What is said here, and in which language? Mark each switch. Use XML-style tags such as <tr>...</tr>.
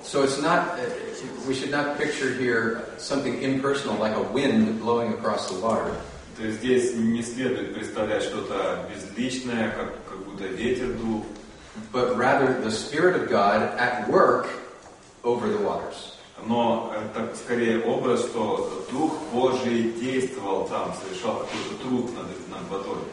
<en>So it's not, we should not picture here something impersonal like a wind blowing across the water.</en> <ru>То есть здесь не следует представлять что-то безличное, как будто ветер дул.</ru> <en>But rather the Spirit of God at work over the waters.</en> <ru>Но так скорее образ, что Дух Божий действовал там, совершал какой-то труд над водой.</ru>